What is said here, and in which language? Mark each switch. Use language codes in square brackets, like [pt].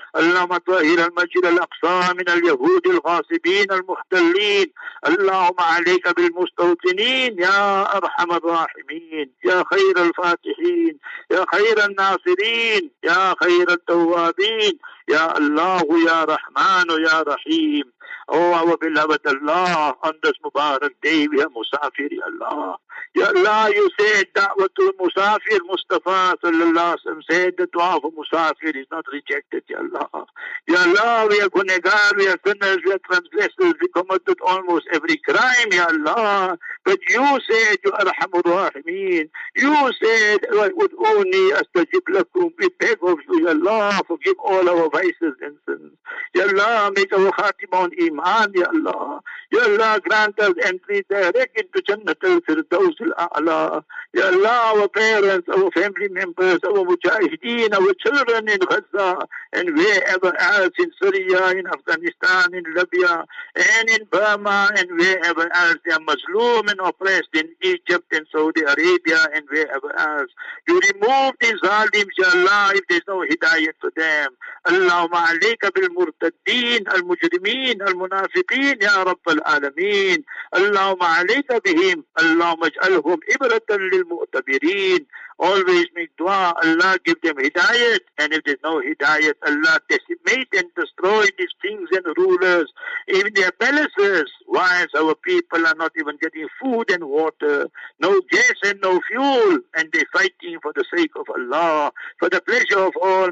[ar] اللهم طهر المسجد الأقصى من اليهود الغاصبين المحتلين، اللهم عليك بالمستوطنين يا أرحم الراحمين، يا خير الفاتحين، يا خير الناصرين، يا خير التوابين، يا الله يا رحمن يا رحيم. [en] Oh, our beloved Allah, on this Mubarak day, we are Musafir, Ya Allah. Ya Allah, you said that what to Musafir Mustafa, sallallahu alayhi wa sallam, said the dua of Musafir is not rejected, Ya Allah. Ya Allah, we are gunegar, we are sinners, we are transgressors, we committed almost every crime, Ya Allah. But you said, Ya Arhamur Rahimeen, you said, I would only astajib lakum, we beg of you, Ya Allah, forgive all our vices and sins. Ya Allah, make our khatima on Iman, Ya Allah. Ya Allah, grant us entry direct into Jannat al-Firdaus al-A'la. Ya Allah, our parents, our family members, our mujahideen, our children in Gaza, and wherever else in Syria, in Afghanistan, in Libya, and in Burma, and wherever else they are mazloom and oppressed, in Egypt, in Saudi Arabia, and wherever else. You remove these zalims, Ya Allah, if there's no hidayat for them. [ar] Allahumma alayka bil murtaddeen, al mujrimeen, المنافقين يا رب العالمين اللهم عليك بهم اللهم اجعلهم عبرة للمؤتبرين. [en] Always make dua, Allah give them hidayat, and if there's no hidayat, Allah decimate and destroy these kings and rulers in their palaces, whilst our people are not even getting food and water, no gas and no fuel, and they're fighting for the sake of Allah, for the pleasure of all.